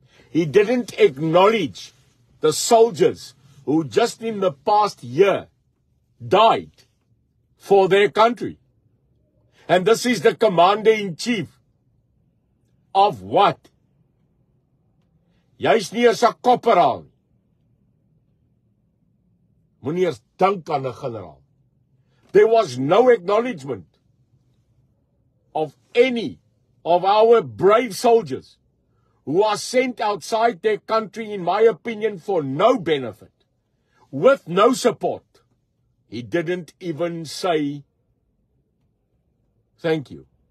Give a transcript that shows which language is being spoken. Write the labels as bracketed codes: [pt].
[en] He didn't acknowledge the soldiers who just in the past year died for their country. And this is the commander-in-chief of what? [af] Jy is nie eens 'n kopperaal. Moenie eens dink aan 'n generaal. [en] There was no acknowledgement of any of our brave soldiers who are sent outside their country, in my opinion, for no benefit, with no support. He didn't even say thank you.